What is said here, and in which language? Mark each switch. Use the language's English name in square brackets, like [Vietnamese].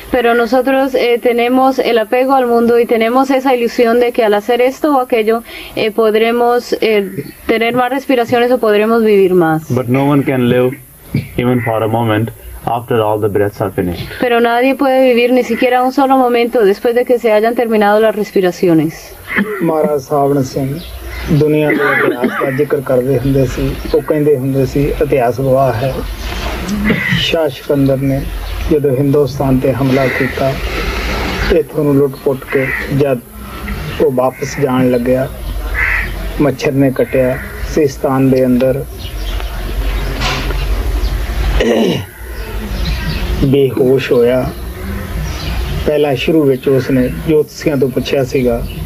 [Spanish] Pero nosotros tenemos el apego al mundo y tenemos esa ilusión de que al hacer esto o aquello podremos tener más respiraciones o podremos vivir más. [English] But no one can live even for a moment after all the breaths are finished. [Spanish] Pero nadie puede vivir ni siquiera un solo momento después de que se hayan terminado las respiraciones. Maharaj Sahib Singh. [Punjabi] ਦੁਨੀਆ ਦੇ ਇਤਿਹਾਸ ਦਾ ਜ਼ਿਕਰ ਕਰਦੇ ਹੁੰਦੇ ਸੀ ਉਹ ਕਹਿੰਦੇ ਹੁੰਦੇ ਸੀ ਇਤਿਹਾਸ ਗਵਾਹ ਹੈ ਸ਼ਾਹ ਸਿਕੰਦਰ ਨੇ ਜਦੋਂ ਹਿੰਦੁਸਤਾਨ 'ਤੇ ਹਮਲਾ ਕੀਤਾ ਇੱਥੋਂ ਨੂੰ ਲੁੱਟ ਪੁੱਟ ਕੇ ਜਦ ਉਹ ਵਾਪਸ ਜਾਣ ਲੱਗਿਆ ਮੱਛਰ ਨੇ ਕੱਟਿਆ ਸਿਸਤਾਨ ਦੇ ਅੰਦਰ ਬੇਹੋਸ਼ ਹੋਇਆ ਪਹਿਲਾਂ ਸ਼ੁਰੂ ਵਿੱਚ ਉਸਨੇ ਜੋਤਸ਼ੀਆਂ ਤੋਂ ਪੁੱਛਿਆ ਸੀਗਾ